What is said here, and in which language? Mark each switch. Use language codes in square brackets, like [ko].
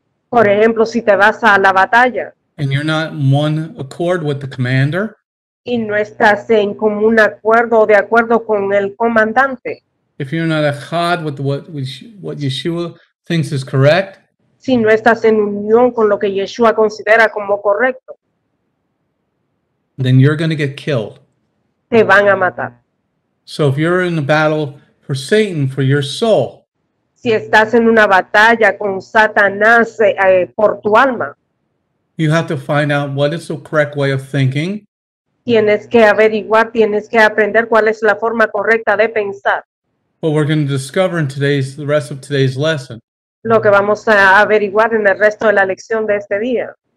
[es] por ejemplo, si te vas a la batalla, [en] and you're not in one accord with the commander, [es] y no estás en común acuerdo o de acuerdo con el comandante, [en] if you're not echad with what Yeshua thinks is correct, [es] si no estás en unión con lo que Yeshua considera como correcto, [en] then you're going to get killed. [es] Te van a matar. [en] So if you're in a battle for Satan, for your soul, [es] si estás en una batalla con Satanás por tu alma, [en] you have to find out what is the correct way of thinking. [es] Tienes que averiguar, tienes que aprender cuál es la forma correcta de pensar. [en] What we're going to discover in the rest of today's lesson. [es] Lo que vamos a averiguar en el resto de la lección de este día.